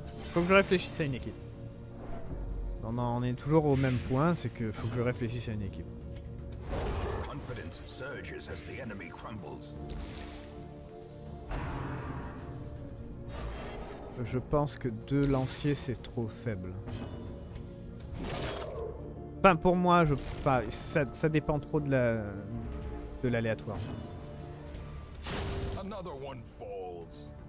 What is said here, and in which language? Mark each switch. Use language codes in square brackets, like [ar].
[fr] Faut que je réfléchisse à une équipe. On en est toujours au même point, c'est que faut que je réfléchisse à une équipe. [en] Confidence surges as the enemy crumbles. [fr] Je pense que deux lanciers c'est trop faible. Enfin pour moi je pas ça dépend trop de l'aléatoire. [en] Another one falls.